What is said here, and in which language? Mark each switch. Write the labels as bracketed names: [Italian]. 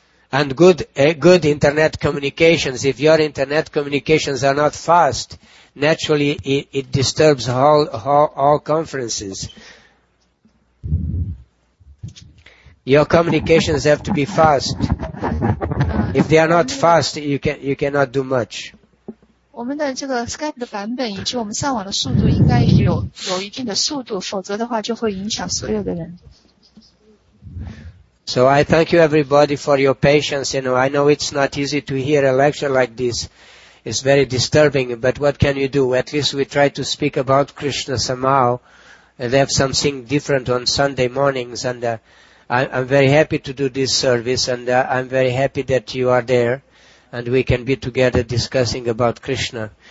[English] And good internet communications. If your internet communications are not fast, naturally it disturbs all conferences. Your communications have to be fast. If they are not fast, you cannot do much. [Chinese] 我们的这个 Skype 的版本以及我们上网的速度应该有一定的速度，否则的话就会影响所有的人。 [English] So I thank you everybody for your patience. You know, I know it's not easy to hear a lecture like this. It's very disturbing, but what can you do? At least we try to speak about Krishna somehow and have something different on Sunday mornings. And I'm very happy to do this service and I'm very happy that you are there and we can be together discussing about Krishna.